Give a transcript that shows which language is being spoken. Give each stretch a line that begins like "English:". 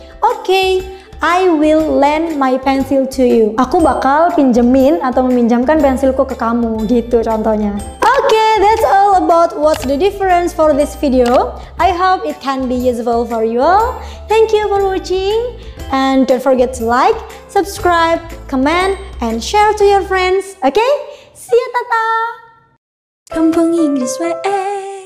English: Okay, I will lend my pencil to you.
Indonesian: Aku bakal pinjemin atau meminjamkan pensilku ke kamu, gitu contohnya.
English: Okay, that's all about what's the difference for this video. I hope it can be useful for you all. Thank you for watching. And don't forget to like, subscribe, comment, and share to your friends. Okay? See you, Tata! Kampung Inggris WR.